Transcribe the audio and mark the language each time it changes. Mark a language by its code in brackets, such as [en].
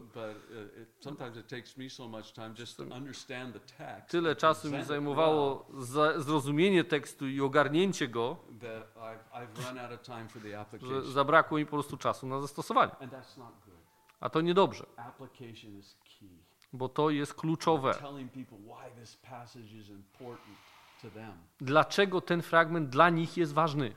[en] But sometimes it takes me so much time just to understand the text. [pl] Tyle czasu mi zajmowało zrozumienie tekstu i ogarnięcie go, [en] that I've run out of time for the application. [pl] Że zabrakło mi po prostu czasu na zastosowanie. [en] And that's not good. [pl] A to niedobrze. [en] Application is key. [pl] Bo to jest kluczowe. [en] Telling people why this passage is important to them. [pl] Dlaczego ten fragment dla nich jest ważny?